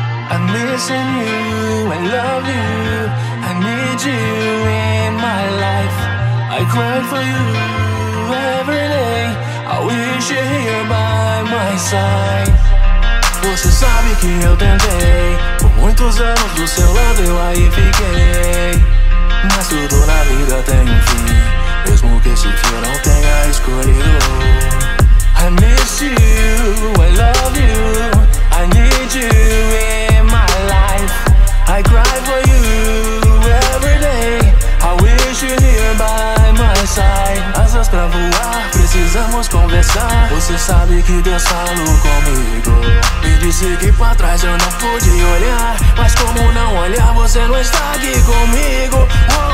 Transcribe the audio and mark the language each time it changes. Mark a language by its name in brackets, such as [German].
[English] I'm missing you, I love you, I need you in my life. I cry for you every day, I wish you here by my side. [Portuguese] Você sabe que eu tentei. Por muitos anos do seu lado eu aí fiquei. Mas tudo na vida tem um fim. Mesmo que esse fim eu não tenha escolhido. [English] I miss you, I love you, I need you in my life. I cry for you every day. I wish you here by my side. [Portuguese] Asas pra voar, precisamos conversar. Você sabe que Deus falou comigo. Me disse que pra trás eu não pude olhar. Mas como não olhar, você não está aqui comigo.